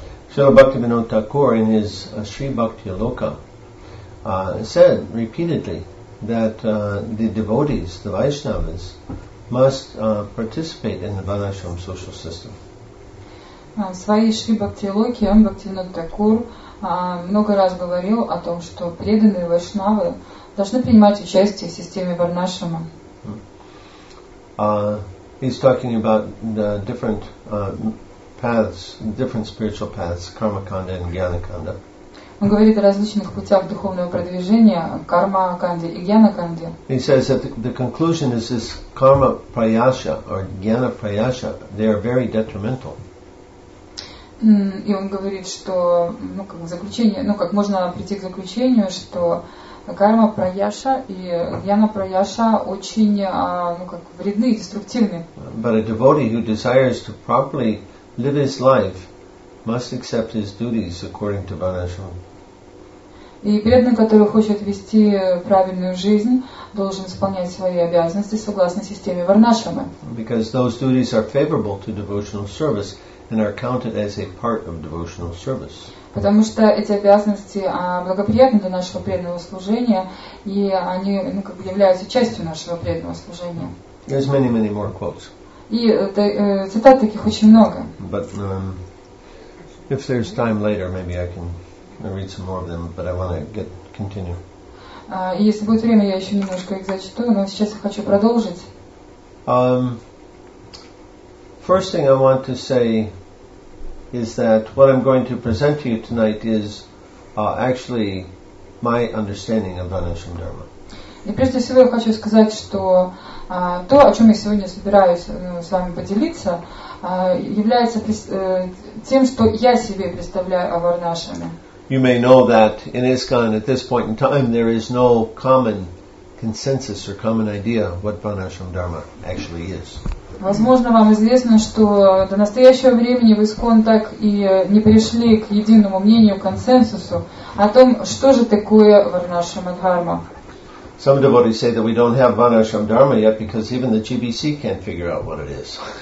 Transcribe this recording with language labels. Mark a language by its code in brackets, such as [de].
[en] So Bhaktivinoda Thakur in his Sri Bhakti Aloka said repeatedly that the devotees, the Vaishnavas, must participate in the Vanashram social system. [ru] В своей Шри Бхакти Алоке Бхактивинода Такур много раз говорил о том, что преданные Вайшнавы должны принимать участие в системе Варнашрама. [en] He's talking about the different paths, different spiritual paths, karma kanda and jnana kanda. [ru] Он говорит о различных путях духовного продвижения, карма канде и jnana kanda. [en] He says that the conclusion is this karma prayasha or jnana prayasha. They are very detrimental. [ru] И он говорит, что, ну, как заключение, ну, как можно прийти к заключению, что карма прояша и яна прояша очень, ну, как вредны и деструктивны. [en] But a devotee who desires to properly live his life must accept his duties according to Vanashram. [ru] И преданный, который хочет вести правильную жизнь, должен исполнять свои обязанности согласно системе Варнашрама. [en] Because those duties are favorable to devotional service and are counted as a part of devotional service. [ru] Потому что эти обязанности благоприятны для нашего преданного служения, и они, ну, как бы являются частью нашего преданного служения. [en] There's many, many more quotes. [ru] И цитат таких очень много. [en] But if there's time later, maybe I can read some more of them. But I want to get continue. [ru] И если будет время, я еще немножко их зачитаю, но сейчас я хочу продолжить. [en] First thing I want to say is that what I'm going to present to you tonight is actually my understanding of Vanashram Dharma. [ru] И прежде всего я хочу сказать, что то, о чем я сегодня собираюсь с вами поделиться, является тем, что я себе представляю о Варнашраме. [en] You may know that in ISKCON at this point in time there is no common consensus or common idea what Vanashram Dharma actually is. [ru] Возможно, вам известно, что до настоящего времени в ИСКОН так и не пришли к единому мнению, консенсусу о том, что же такое Варнашрама Дхарма. [en] Some devotees say that we don't have Varnashram Dharma yet because even the GBC can't figure out what it is.